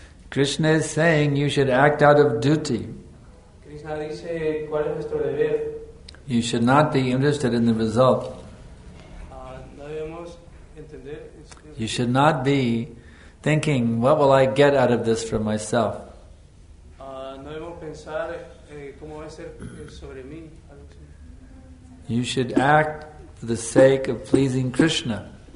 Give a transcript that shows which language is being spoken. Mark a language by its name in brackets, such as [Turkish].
[English] Krishna is saying you should act out of duty. [Spanish] Krishna dice, ¿cuál es nuestro deber? [English] You should not be interested in the result. [Spanish] No debemos entender. [English] You should not be thinking, what will I get out of this for myself? [Spanish] No debemos pensar, ¿cómo va a ser sobre mí? [English] You should act for the sake of pleasing Krishna.